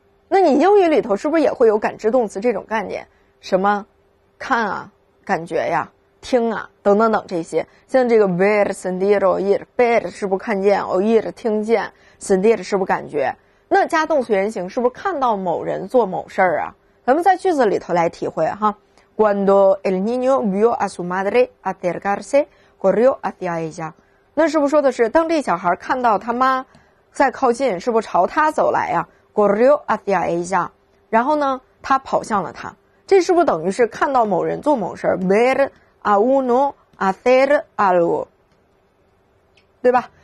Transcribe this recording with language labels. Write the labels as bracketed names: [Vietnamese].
[Chinese] 那你英语里头是不是也会有感知动词这种概念？什么看啊，感觉呀，听啊，等等等，这些像这个 [Spanish] ver, sentir, oír, ver [Chinese] 是不是看见， oír 听见， sentir 是不是感觉，那加动词原形是不是看到某人做某事儿啊？咱们在句子里头来体会哈。 [Spanish] Cuando el niño vio a su madre acercarse, corrió hacia ella. [Chinese] 那是不是说的是当这小孩看到他妈在靠近，是不是朝他走来呀？ [Spanish] Corrió hacia ella. [Chinese] 然后呢，他跑向了他。这是不是等于是看到某人做某事 ？ [Spanish] Ver a uno hacer algo. [Chinese] 对吧？